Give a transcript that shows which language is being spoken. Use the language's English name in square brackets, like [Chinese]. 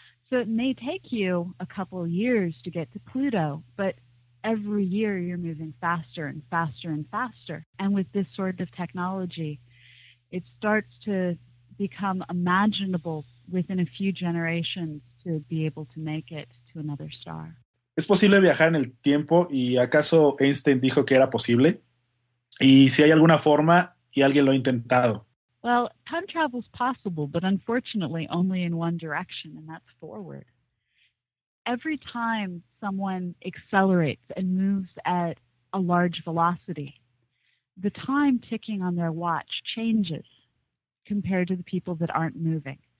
[English] So it may take you a couple of years to get to Pluto, but every year you're moving faster and faster and faster. And with this sort of technology, it starts to become imaginable within a few generations to be able to make it to another star. [Spanish] ¿Es posible viajar en el tiempo? ¿Y acaso Einstein dijo que era posible? ¿Y si hay alguna forma y alguien lo ha intentado? [English] Well, time travel is possible, but unfortunately only in one direction, and that's forward. Every time someone accelerates and moves at a large velocity, the time ticking on their watch changes compared to the people that aren't moving.